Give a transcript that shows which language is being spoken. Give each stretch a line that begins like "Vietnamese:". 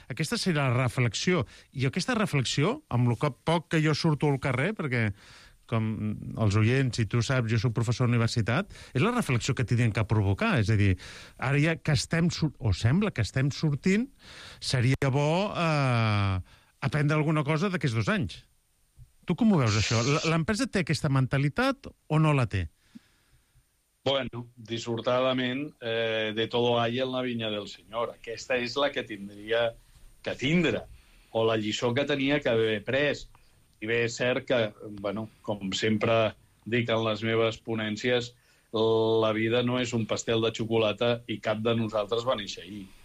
Catalan: Aquesta serà la reflexió. I aquesta reflexió, amb el poc que jo surto al carrer, perquè com els oients, si tu saps, jo soc professor d'universitat, és la reflexió que tindrien que provocar. És a dir, ara ja que estem, o sembla que estem sortint, seria bo aprendre alguna cosa d'aquests 2 anys. Tu com ho veus, això? L'empresa té aquesta mentalitat o no la té?
Spanish: Bueno,
Catalan: dissortadament,
Spanish: de todo hay en la viña del señor.
Catalan: Aquesta és la que tindria que tindre, o la lliçó que tenia que haver pres. I bé, és cert que, bueno, com sempre dic en les meves ponències, la vida no és un pastel de xocolata i cap de nosaltres va néixer ahir.